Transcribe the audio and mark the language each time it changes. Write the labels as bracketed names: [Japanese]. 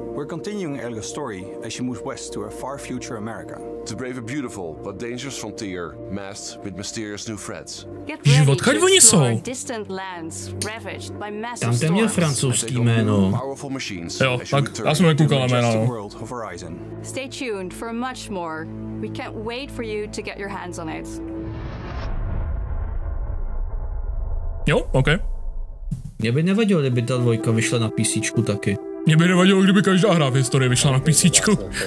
[English] We're continuing Elga's story as she moves west to her far future America. To brave a beautiful but dangerous frontier, masked with mysterious new threats. [Czech] Život, kde oni jsou? Tam ten měl francouzský jméno. Jo, tak já jsem nekoukal na jméno. [English] Stay tuned for much more. We can't wait for you to get your hands on it. [Czech] Jo, OK. Mě by nevadilo, kdyby ta dvojka vyšla na PCčku taky. Mě by nevadilo, kdyby každá hra v historii vyšla na PCčku.